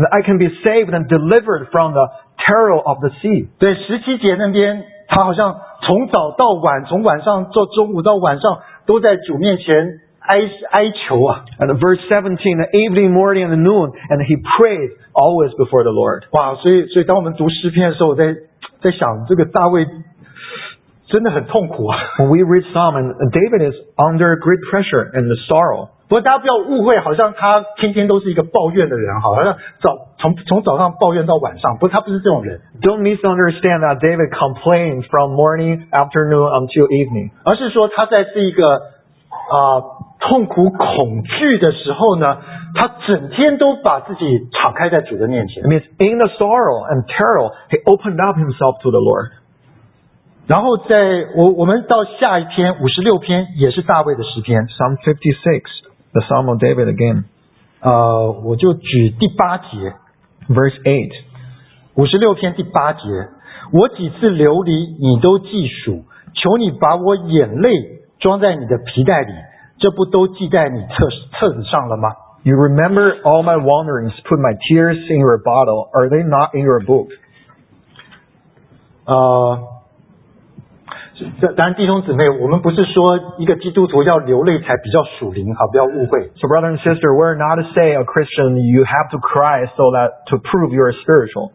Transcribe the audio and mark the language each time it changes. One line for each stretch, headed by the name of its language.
English: I can be saved and delivered from the terror of the sea
Chinese: 对十七节那边他好像从早到晚从晚上到中午到晚上都在主面前哀求啊
English: And verse 17 the evening, morning and noon and he prayed always before the Lord
Chinese: 哇所以当我们读诗篇的时候在想这个大卫真的很痛苦啊
English: When we read Psalm and David is under great pressure and sorrow
Chinese: 不过大家不要误会，好像他天天都是一个抱怨的人，好像从早上抱怨到晚上。不过他不是这种人。
English: Don't misunderstand that David complains from morning, afternoon until evening.
Chinese: 而是说他在这一个痛苦恐惧的时候呢，他整天都把自己敞开在主的面前。
English: It means in the sorrow and terror, he opened up himself to the Lord.
Chinese: 然后在我们到下一篇五十六篇也是大卫的诗篇
English: ，Psalm 56. The Psalm of David again.
Chinese: 我就举第八节
English: ，verse 8，
Chinese: 五十六篇第八节。我几次流离，你都记数。求你把我眼泪装在你的皮带里，这不都记在你册子上了吗
English: ？You remember all my wanderings, put my tears in your bottle. Are they not in your book?
Chinese: 当然弟兄姊妹我们不是说一个基督徒要流泪才比较属灵好不要误会
English: So brother and sister we're not to say a Christian you have to cry so that to prove you're spiritual